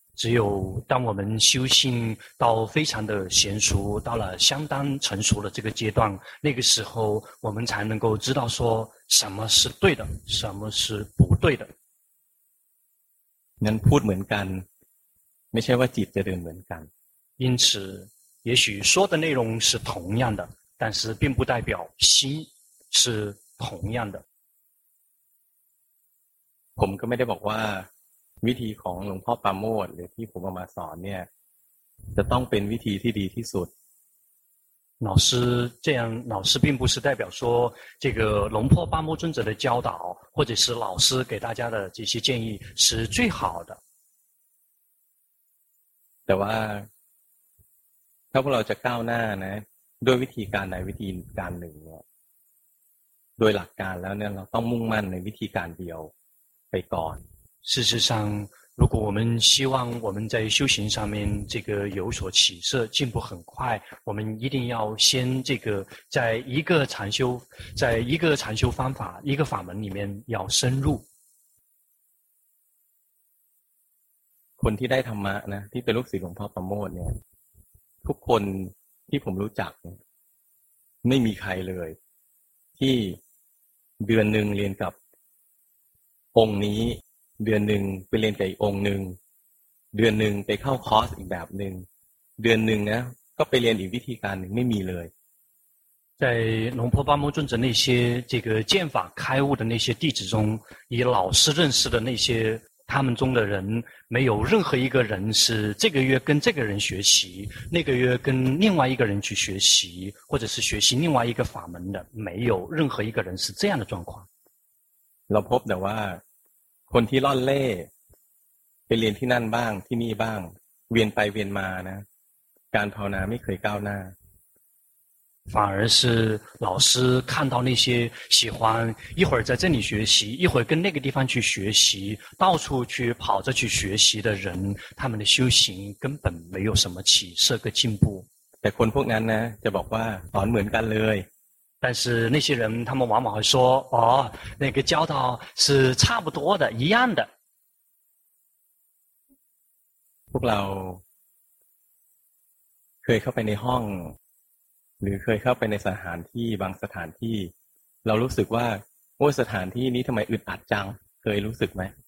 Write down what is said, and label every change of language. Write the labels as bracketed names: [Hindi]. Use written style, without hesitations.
[Chinese] 只有当我们修行到非常的娴熟到了相当成熟的这个阶段那个时候我们才能够知道说什么是对的什么是不对的 [Thai] นั้นพูดเหมือนกันไม่ใช่ว่าจิตจะเดินเหมือนกัน [Chinese] 因此也许说的内容是同样的但是并不代表心是同样的 [Thai] ผมก็ไม่ได้บอกว่าวิธีของหลวงพ่อปราโมทหรือที่ผมเอามาสอนเนี่ยจะต้องเป็นวิธีที่ดีที่สุด [Chinese] 老师这样老师并不是代表说这个龙婆巴摩尊者的教导或者是老师给大家的这些建议是最好的 [Thai] แต่ว่าถ้าพวกเราจะก้าวหน้านะด้วยวิธีการใดวิธีการหนึ่งเนี่ยโดยหลักการแล้วเนี่ยเราต้องมุ่งมั่นในวิธีการเดียวไปก่อน [Chinese] 事实上如果我们希望我们在修行上面这个有所起色进步很快我们一定要先这个在一个禅修方法一个法门里面要深入 [Thai] คนที่ได้ธรรมะนะที่เป็นลูกศิษย์หลวงพ่อประโมทเนี่ยทุกคนที่ผมรู้จักไม่มีใครเลยที่เดือนหนึ่งเรียนกับองค์นี้เดือนหนึ่งไปเรียนกับอีกองค์หนึ่งเดือนหนึ่งไปเข้าคอร์สอีกแบบหนึ่ง เดือนหนึ่งนะก็ไปเรียนอีกวิธีการหนึ่งไม่มีเลย [Chinese] 在龙婆巴木尊者那些这个剑法开悟的那些弟子中，以老师认识的那些他们中的人，没有任何一个人是这个月跟这个人学习，那个月跟另外一个人去学习，或者是学习另外一个法门的，没有任何一个人是这样的状况。 [Thai] เราพบแต่ว่าคนที่ล่อนเล่ไปเรียนที่นั่นบ้างที่นี่บ้างเวียนไปเวียนมานะการภาวนาไม่เคยก้าวหน้า [Chinese] 反而是老师看到那些喜欢一会儿在这里学习一会儿跟那个地方去学习到处去跑着去学习的人他们的修行根本没有什么起色个进步 [Thai] แต่คนพวกนั้นนะจะบอกว่าสอนเหมือนกันเลย [Chinese] 但是那些人他们往往会说哦那个教导是差不多的一样的 [Thai] พวกเราเคยเข้าไปในห้องหรือเคยเข้าไปในสถานที่บางสถานที่เรารู้สึกว่าโอ้สถานที่นี้ทำไมอึดอัดจังเคยรู้สึกไหม